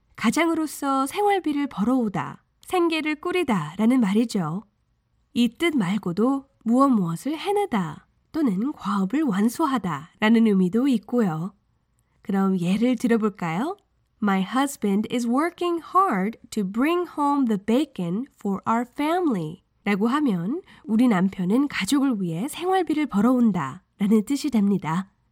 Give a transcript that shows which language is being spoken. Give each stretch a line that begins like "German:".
Korean: 가장으로서 생활비를 벌어오다, 생계를 꾸리다 라는 말이죠. 이 뜻 말고도 무엇 무엇을 해내다 또는 과업을 완수하다 라는 의미도 있고요. 그럼 예를 들어볼까요?
English: My husband is working hard to bring home the bacon for our family.
Korean: 라고 하면 우리 남편은 가족을 위해 생활비를 벌어온다 라는 뜻이 됩니다.